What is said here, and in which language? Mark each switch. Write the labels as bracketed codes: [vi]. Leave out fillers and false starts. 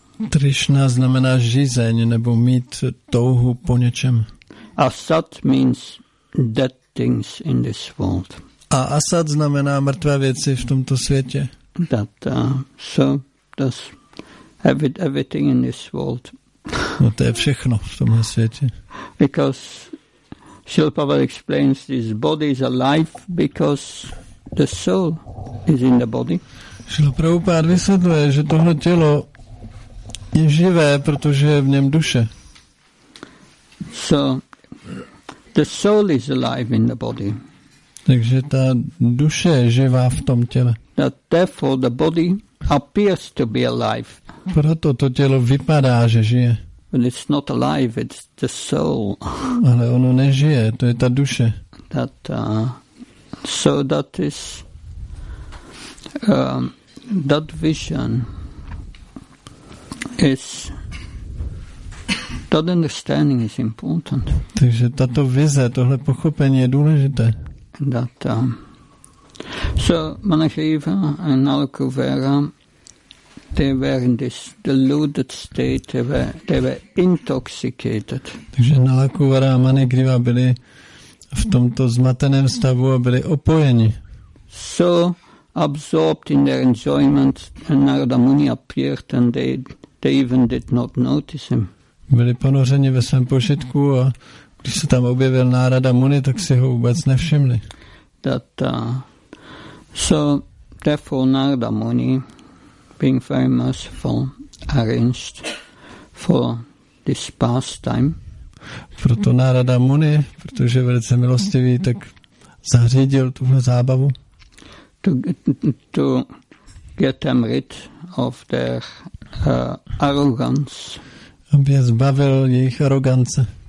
[cs] Tršna znamená žízeň, nebo mít touhu po něčem. [en] Asat means dead things in this world. [cs] A Asat znamená mrtvé věci v tomto světě. [en] That, so does everything in this world. [cs] No, to je všechno v tomhle světě. [en] Because Shilpavad explains this body is alive because the soul is in the body. [cs] Shilpavad vysvětluje, že tohle tělo je živé, protože je v něm duše. [en] So the soul is alive in the body. [cs] Takže ta duše je živá v tom těle. [en] That therefore the body appears to be alive. [cs] Proto to tělo vypadá, že žije. [en] But it's not alive, it's the soul. [cs] Ale ono nežije, to je ta duše. [en] That, so that is that vision is that understanding is important. [cs] Takže tato vize, tohle pochopení je důležité. [en] That, so Manasheva and Alakuvera, they were in this deluded state. They were intoxicated. [cs] Takže Nalakuvara a Manigriva byli v tomto zmateném stavu a byli opojeni. [en] So absorbed in their enjoyment, and Narada Muni appeared, and they even did not notice him. [cs] Byli ponořeni ve svém požitku a když se tam objevil Narada Muni, tak si ho vůbec nevšimli. [en] That, so therefore Narada Muni, being very merciful, arranged for this pastime. [cs] Proto Narada Muni, protože velice milostivý, tak zařídil tuhle zábavu. [en] To get them rid of their arrogance. [cs] Aby je zbavil jejich arogance.